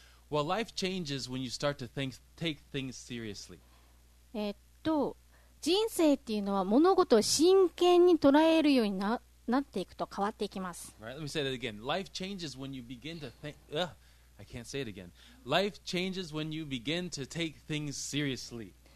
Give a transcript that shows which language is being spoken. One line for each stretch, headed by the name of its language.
English: Well, life changes when you start to take things seriously.
Japanese: 人生っていうのは物事を真剣に捉えるようになっていくと変わっていきます。
English: Right, let me say that again. Life changes when you begin to think. I can't say it again. Life changes when you begin to take things seriously.